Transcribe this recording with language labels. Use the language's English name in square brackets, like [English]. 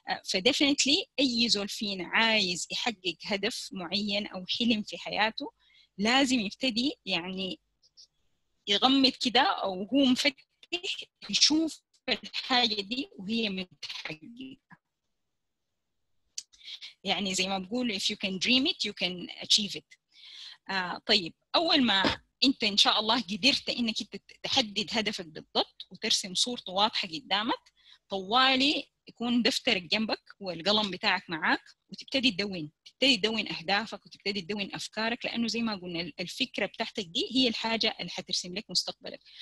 [Arabic] فديفنتلي أي زول فينا عايز يحقق هدف معين أو حلم في حياته لازم يبتدي يعني يغمض كده أو هو مفكر يشوف الحاجة دي وهي متحققة. يعني زي ما بقول [English] if you can dream it you can achieve it. [Arabic] طيب أول ما أنت إن شاء الله قدرت أنك تحدد هدفك بالضبط وترسم صورته واضحة قدامك، طوالي يكون دفترك جنبك والقلم بتاعك معاك وتبتدي تدون، تبتدي تدون أهدافك وتبتدي تدون أفكارك، لأنه زي ما قلنا الفكرة بتاعتك دي هي الحاجة اللي هترسم لك مستقبلك.